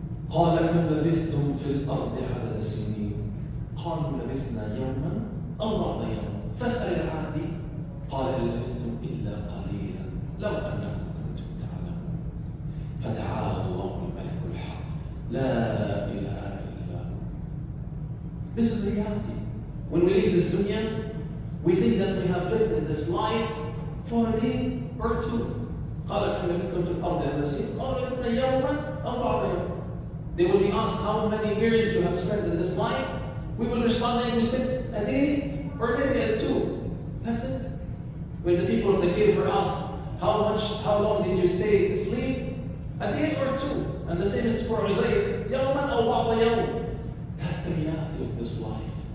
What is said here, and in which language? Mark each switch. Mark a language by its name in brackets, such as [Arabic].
[Arabic] قال كم لبثتم في الأرض عدد السنين؟ قالوا لبثنا يوما أو بعض يوم. فاسأل العادي. قال إن لبثتم إلا قليلا لو أنكم كنتم تعلمون. فتعالى الله الملك الحق لا إله إلا هو. [English] This is reality. When we leave this dunya, we think that we have lived in this life for a day or two. [Arabic] قال كم لبثتم في الأرض عدد السنين؟ قالوا لبثنا يوما أو بعض يوم. [English] They will be asked how many years you have spent in this life. We will respond that you spent a day or maybe a two. That's it. When the people of the cave were asked how long did you stay asleep? A day or two. And the same is for Isaiah. [Arabic] Yawman aw ba'da yawm. [English] That's the reality of this life.